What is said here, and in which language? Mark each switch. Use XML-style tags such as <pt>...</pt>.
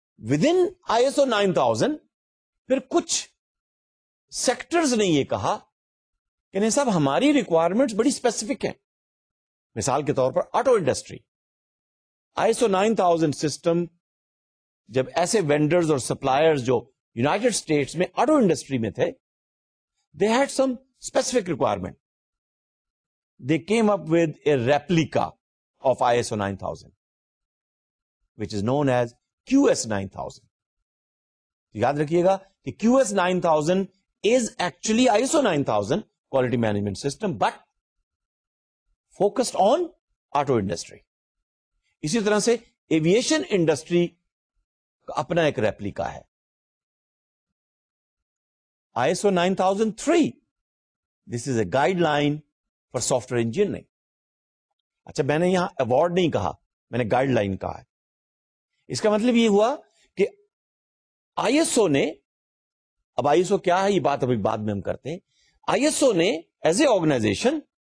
<ur>With in I S O 9000 پھر کچھ sectors نے یہ کہا کہ نہیں صاحب, ہماری ریکوائرمنٹس بڑی اسپیسیفک ہیں. مثال کے طور پر auto industry, I S O 9000 system جب ایسے وینڈرز اور سپلائرز جو یوناٹیڈ اسٹیٹس میں آٹو انڈسٹری میں تھے,</ur> <en>They had some specific requirement. They came up with a replica of ISO 9000, which is known as QS 9000.</en> <ur>یاد رکھیے گا کہ</ur> <en>QS 9000 is actually ISO 9000 quality management system, but focused on auto industry.</en> <ur>اسی طرح سے aviation industry کا اپنا ایک replica ہے.</ur> <en>ISO 9003, this is a guideline</en> <ur>soft where engineer نے. اچھا, میں نے یہاں ایوارڈ نہیں کہا, میں نے گائیڈ لائن کہا ہے. اس کا مطلب یہ ہوا کہ آئی ایس او نے, اب آئی ایس او کیا ہے یہ بات ابھی بعد میں ہم کرتے ہیں, آئی ایس او نے</ur> <en>as a organization</en>